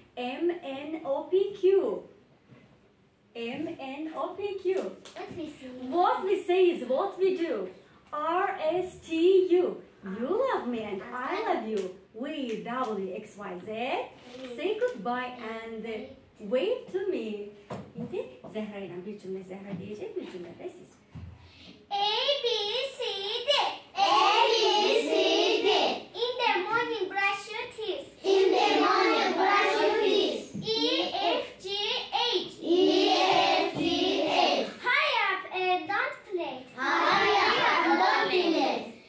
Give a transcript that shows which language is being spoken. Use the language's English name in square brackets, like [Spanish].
[English] M, N, O, P, Q. M, N, O, P, Q. What we say is what we do. R, S, T, U. You love me and I love you. We, W, X, Y, Z. Say goodbye and wait to me. [Azerbaijani] İndi Zəhra ilə bir cümlə Zəhra deyəcək, bir cümlə də siz. [English] A, B, C, D. A, B, C, D. In the morning, brush your teeth. In the morning, brush your teeth. E, F, G, H. E, F, G, H. Hurry up and don't be late. Hurry up and don't be late.